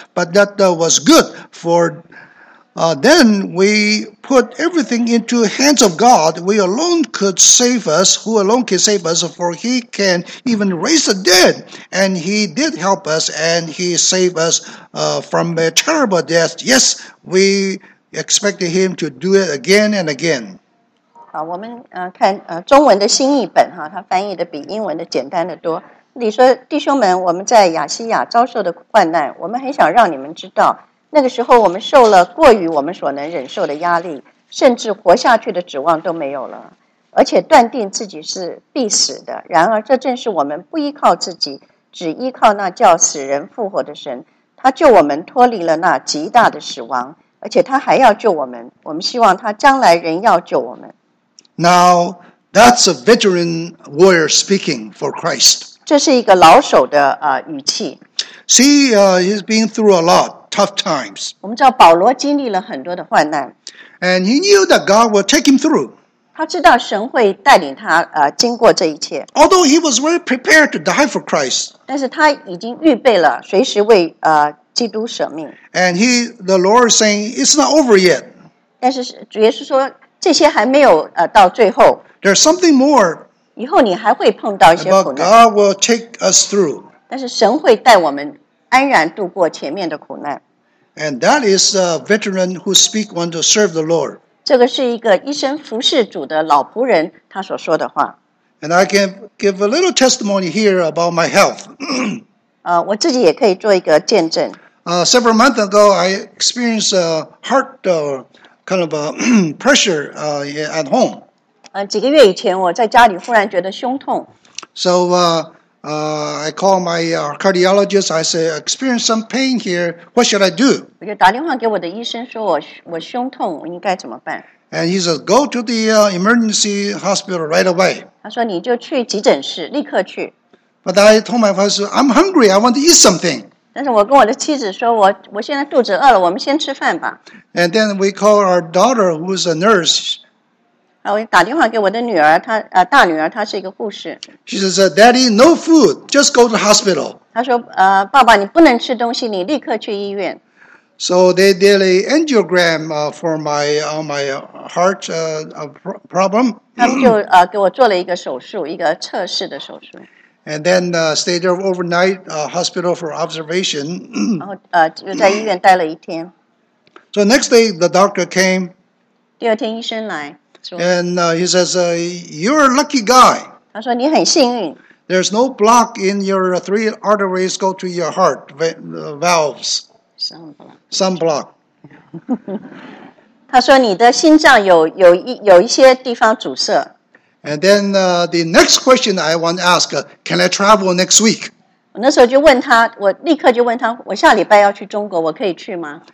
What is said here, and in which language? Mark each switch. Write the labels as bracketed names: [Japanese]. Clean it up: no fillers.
[English] But that was good, for then we put everything into hands of God. We alone could save us. Who alone can save us? For He can even raise the dead. And He did help us, and He saved us from a terrible death. Yes, we expected Him to do it again and again. [Chinese] 好，我们看中文的新译本哈，它翻译的比英文的简单的多。你说，弟兄们，我们在亚西亚遭受的患难，我们很想让你们知道。那个时候我们受了过于我们所能忍受的压力，甚至活下去的指望都没有了，而且断定自己是必死的。然而这正是我们不依靠自己，只依靠那叫死人复活的神，他救我们脱离了那极大的死亡，而且他还要救我们，我们希望他将来仍要救我们。 [English] Now that's a veteran warrior speaking for Christ. [Chinese] 这是一个老手的语气。 [English] See, he's been through a lot. Tough times. [Chinese] 我们知道保罗经历了很多的患难。 [English] And he knew that God would take him through. [Chinese] 他知道神会带领他经过这一切。 [English] Although he was very prepared to die for Christ. [Chinese] 但是他已经预备了随时为基督舍命。 [English] And the Lord is saying, it's not over yet. [Chinese] 但是主耶稣说这些还没有到最后。 [English] There's something more. [Chinese] 以后你还会碰到一些苦难。 [English] But God will take us through. [Chinese] 但是神会带我们安然度过前面的苦难。 [English] And that is a veteran who speaks one to serve the Lord. [Chinese] 这个是一个一生服侍主的老仆人他所说的话。 [English] And I can give a little testimony here about my health. [Chinese] 我自己也可以做一个见证。 [English] Several months ago, I experienced a heart kind of a pressure at home. [Chinese] 几个月以前我在家里忽然觉得胸痛。 [English] So, I called my cardiologist. I said, I experienced some pain here. What should I do? [Chinese] 我就打电话给我的医生说我胸痛，我应该怎么办？ [English] And he said, go to the emergency hospital right away. [Chinese] 他说你就去急诊室，立刻去。 [English] But I told my wife, I'm hungry. I want to eat something. [Chinese] 但是我跟我的妻子说我现在肚子饿了，我们先吃饭吧。 [English] And then we called our daughter, who is a nurse. [Chinese] 我打电话给我的女儿，大女儿，她是一个护士。 [English] She says, "Daddy, no food. Just go to the hospital." [Chinese] 她说，爸爸，你不能吃东西，你立刻去医院。 [English] So they did an angiogram for my heart problem. [Chinese] 他们就给我做了一个手术，一个测试的手术。 [English] And then stayed there overnight, hospital for observation. [Chinese] 然后就在医院待了一天。 [English] So next day, the doctor came. [Chinese] 第二天医生来。 [English] And he says, you're a lucky guy. [Chinese] 他说你很幸运。 [English] There's no block in your three arteries go to your heart valves. Some block. [Chinese] 他说你的心脏有一些地方阻塞。 [English] And then the next question I want to ask, can I travel next week? [Chinese] 我那时候就问他，我立刻就问他，我下礼拜要去中国，我可以去吗？